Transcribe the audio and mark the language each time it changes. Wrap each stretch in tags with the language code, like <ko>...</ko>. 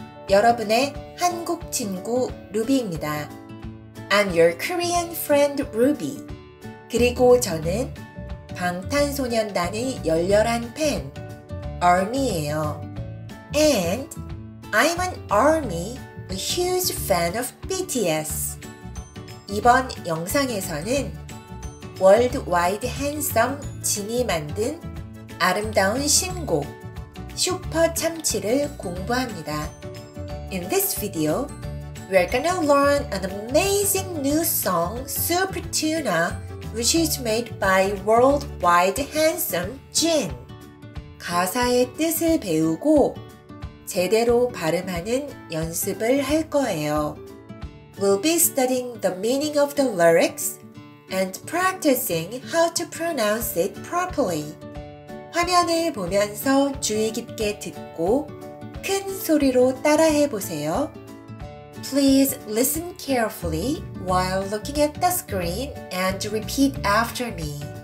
<ko>여러분의 한국 친구 루비입니다.</ko> <en>I'm your Korean friend Ruby.</en> <ko>그리고 저는 방탄소년단의 열렬한 팬, ARMY예요.</ko> <en>And I'm an ARMY, a huge fan of BTS.</en> <ko>이번 영상에서는 월드와이드 핸섬 진이 만든 아름다운 신곡 슈퍼 참치를 공부합니다.</ko> <en>In this video, we are gonna learn an amazing new song Super Tuna which is made by Worldwide Handsome Jin.</en> <ko>가사의 뜻을 배우고 제대로 발음하는 연습을 할 거예요.</ko> <en>We'll be studying the meaning of the lyrics and practicing how to pronounce it properly.</en> <ko>화면을 보면서 주의 깊게 듣고 큰 소리로 따라해 보세요.</ko> <en>Please listen carefully while looking at the screen and repeat after me.</en>